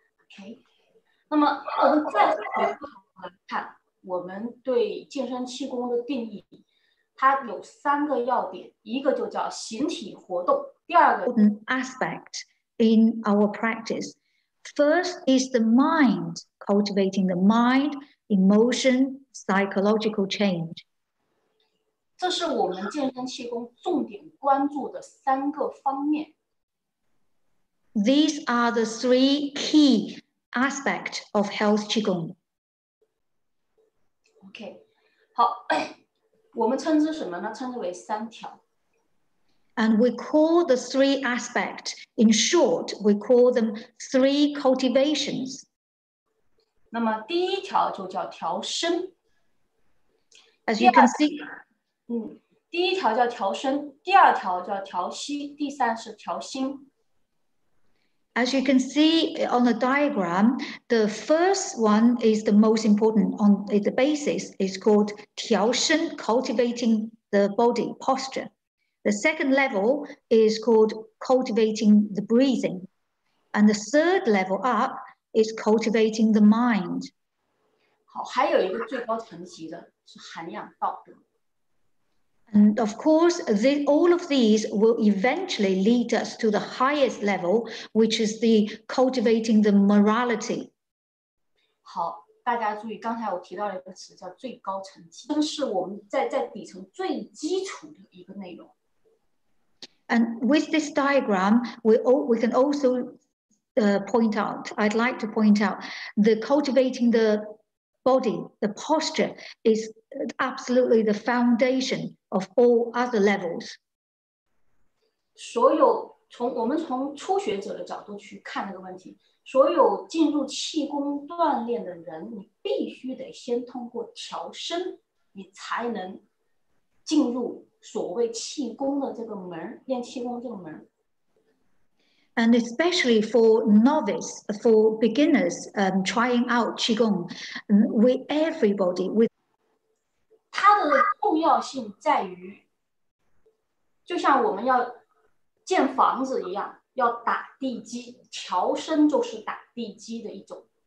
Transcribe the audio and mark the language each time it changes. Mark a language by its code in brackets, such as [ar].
[zh] Okay. 那么再回头来看我们对健身气功的定义，它有三个要点，一个就叫形体活动，第二个 [en] an aspect in our practice. First is the mind, cultivating the mind, emotion, psychological change. [zh] 这是我们健身气功重点关注的三个方面。 [en] These are the three key aspects of health qigong. [zh] Okay, 好，我们称之什么呢？称之为三条。 [en] And we call the three aspects, in short, we call them three cultivations. [zh] 那么第一条就叫调身。 [en] As you can see. [zh] 第一条叫调身，第二条叫调息，第三是调心。 [en] As you can see on the diagram, the first one is the most important on the basis, is called 调身, cultivating the body posture. The second level is called cultivating the breathing. And the third level up is cultivating the mind. [zh] 好，还有一个最高层级的是涵养道德。 [en] And of course, all of these will eventually lead us to the highest level, which is the cultivating the morality. [zh] 好，大家注意，刚才我提到了一个词叫最高层级，这是我们在底层最基础的一个内容。 [en] And with this diagram, we can also point out, I'd like to point out, the cultivating the body, the posture, is absolutely the foundation of all other levels. [zh] 所有从我们从初学者的角度去看这个问题，所有进入气功锻炼的人，你必须得先通过调身，你才能进入所谓气功的这个门，练气功这个门。 [en] And especially for novice, for beginners trying out Qigong, we everybody with [zh] 它的重要性在于, 就像我们要建房子一样, 要打地基, 调身就是打地基的一种。